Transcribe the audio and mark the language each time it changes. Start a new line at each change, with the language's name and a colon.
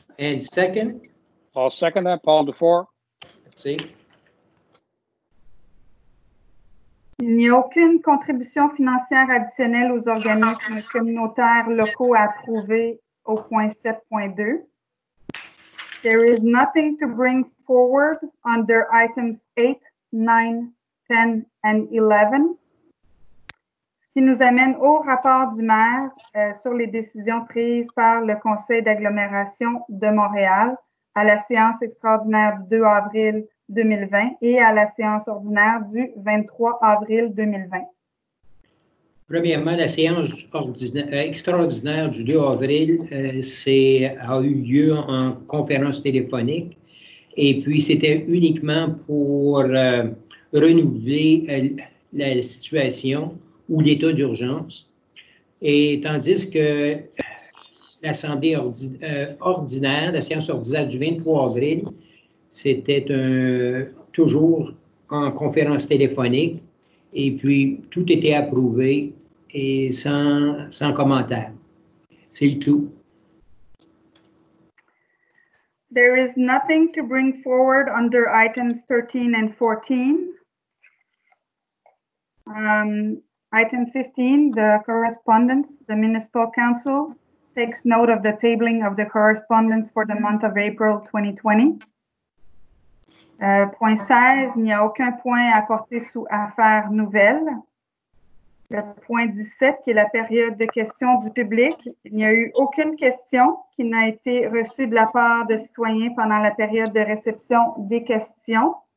English: And second. I'll second that, Paul Dufour.
French: Merci. Il n'y a aucune contribution financière additionnelle aux organismes communautaires locaux à approuver au point 7.2.
English: There is nothing to bring forward under items 8, 9, 10, and 11.
French: Ce qui nous amène au rapport du maire sur les décisions prises par le Conseil d'agglomération de Montréal à la séance extraordinaire du 2 avril 2020 et à la séance ordinaire du 23 avril 2020. Premièrement, la séance extraordinaire du 2 avril a eu lieu en conférence téléphonique. Et puis, c'était uniquement pour renouveler la situation ou l'état d'urgence. Et tandis que l'Assemblée ordinaire, la séance ordinaire du 23 avril, c'était toujours en conférence téléphonique. Et puis, tout était approuvé et sans commentaire. C'est tout.
English: There is nothing to bring forward under items 13 and 14. Item 15, the correspondence. The Municipal Council takes note of the tabling of the correspondence for the month of April 2020.
French: Point 16, il n'y a aucun point à porter sous affaires nouvelles. Le point 17, qui est la période de questions du public, il n'y a eu aucune question qui n'a été reçue de la part de citoyens pendant la période de réception des questions.